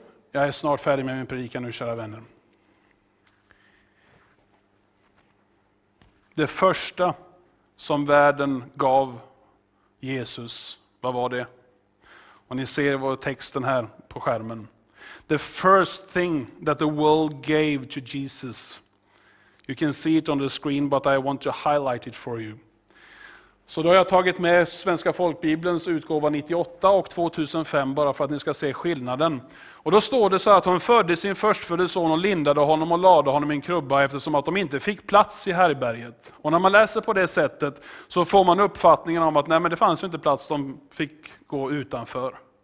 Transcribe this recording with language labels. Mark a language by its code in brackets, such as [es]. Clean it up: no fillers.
[sv] Jag är snart färdig med min predikan nu, kära vänner. Det första som världen gav Jesus, vad var det? Och ni ser vår texten här på skärmen. [en] The first thing that the world gave to Jesus. You can see it on the screen, but I want to highlight it for you. [sv] Så då har jag tagit med Svenska Folkbiblens utgåva 98 och 2005 bara för att ni ska se skillnaden. Och då står det så att hon födde sin förstfödde son och lindade honom och lade honom i en krubba eftersom att de inte fick plats i härberget. Och när man läser på det sättet så får man uppfattningen om att nej, men det fanns ju inte plats, de fick gå utanför.